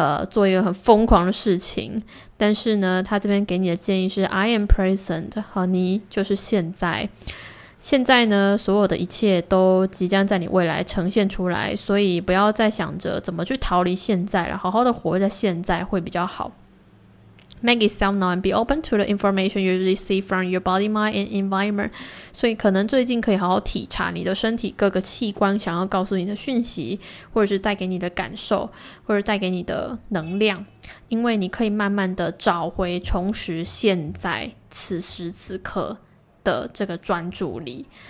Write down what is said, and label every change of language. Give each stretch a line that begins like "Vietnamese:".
Chinese: 做一个很疯狂的事情，但是呢，他这边给你的建议是 "I am present"，和你就是现在。现在呢，所有的一切都即将在你未来呈现出来，所以不要再想着怎么去逃离现在了，好好的活在现在会比较好。
English: Make yourself known, be open to the information you receive from your body, mind, and environment。
Chinese: 所以，可能最近可以好好体察你的身体各个器官想要告诉你的讯息，或者是带给你的感受，或者带给你的能量，因为你可以慢慢的找回、重拾现在此时此刻的这个专注力。